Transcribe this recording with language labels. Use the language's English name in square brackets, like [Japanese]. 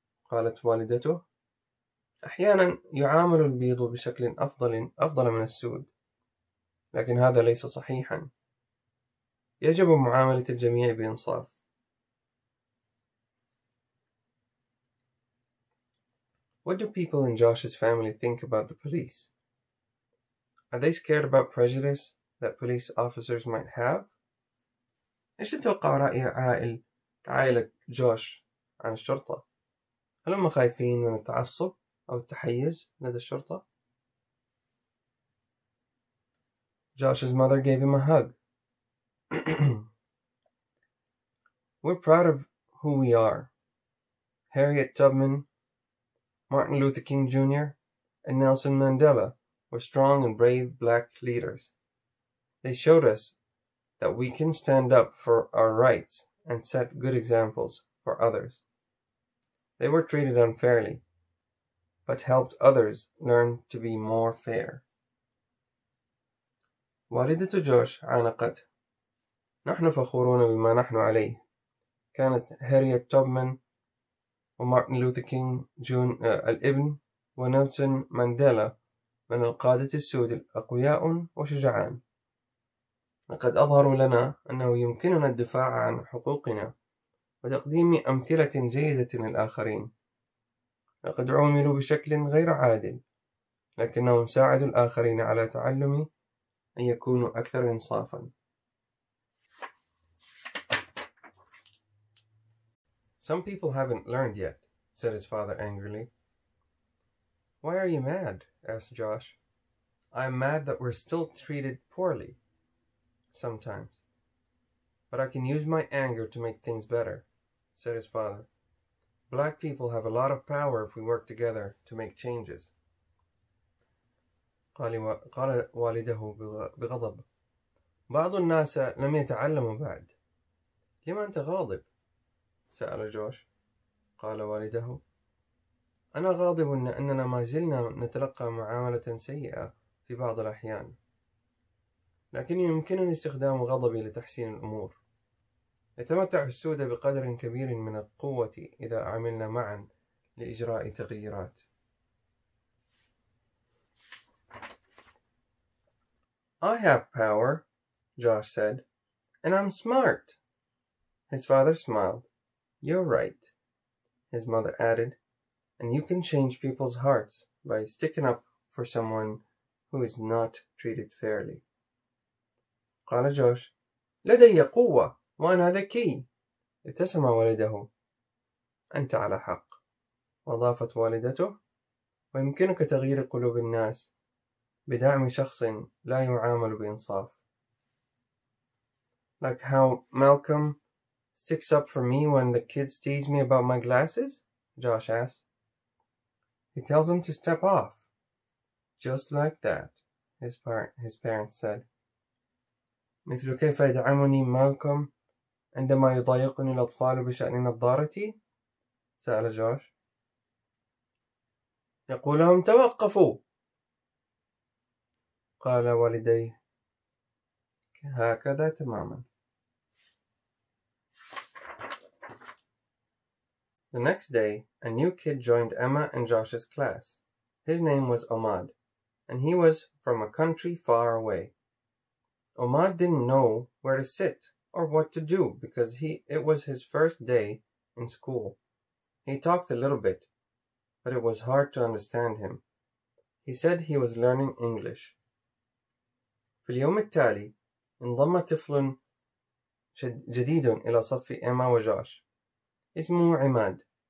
[Arabic] قالت والدته: أحيانا يعامل البيض بشكل أفضل من السود، لكن هذا ليس صحيحا. يجب معاملة الجميع بإنصاف. [English] What do people in Josh's family think about the police? Are they scared about prejudice that police officers might have? [Arabic] إيش تتوقع رأي عائلة جوش عن الشرطة؟ هل هم خايفين من التعصب أو التحيز لدى الشرطة؟ [English] Josh's mother gave him a hug. We're proud of who we are. Harriet Tubman, Martin Luther King Jr., and Nelson Mandela were strong and brave black leaders. They showed us that we can stand up for our rights and set good examples for others. They were treated unfairly, but helped others learn to be more fair. [Arabic] والدة جوش عانقت: نحن فخورون بما نحن عليه. كانت هاريت توبمان ومارتن لوثر كينج جون الابن ونيلسون مانديلا من القادة السود الأقوياء وشجعان. لقد أظهروا لنا أنه يمكننا الدفاع عن حقوقنا وتقديم أمثلة جيدة للآخرين. لقد عوملوا بشكل غير عادل، لكنهم ساعدوا الآخرين على تعلم أن يكونوا أكثر إنصافا. [English] Some people haven't learned yet, said his father angrily. Why are you mad? Asked Josh. I am mad that we're still treated poorly sometimes. But I can use my anger to make things better, said his father. Black people have a lot of power if we work together to make changes. [Arabic] قال والده بغضب: بعض الناس لم يتعلموا بعد. لما أنت غاضب؟ سأل جوش. قال والده: أنا غاضب لأننا ما زلنا نتلقى معاملة سيئة في بعض الأحيان، لكن يمكنني استخدام غضبي لتحسين الأمور. يتمتع السود بقدر كبير من القوة إذا عملنا معا لإجراء تغييرات. [English] I have power, Josh said, and I'm smart. His father smiled. You're right. his mother added, and you can change people's hearts by sticking up for someone who is not treated fairly. [Arabic] قال جوش, لدي قوة وأنا ذكي. ابتسم والده, أنت على حق. وأضافت والدته, ويمكنك تغيير قلوب الناس بدعم شخص لا يعامل بإنصاف. [English] Like how Malcolm sticks up for me when the kids tease me about my glasses? Josh asks. He tells him to step off. Just like that, his parents said. [Arabic] مثل كيف يدعمني مالكوم عندما يضايقني الأطفال بشأن نظارتي؟ سأل جوش. يقول لهم توقفوا. قال والدي هكذا تماما. [English] The next day, a new kid joined Emma and Josh's class. His name was Ahmad, and he was from a country far away. Ahmad didn't know where to sit or what to do because it was his first day in school. He talked a little bit, but it was hard to understand him. He said he was learning English. [Arabic] في اليوم التالي, انضم طفل جديد إلى صف إيما وجوش. اسمه عماد.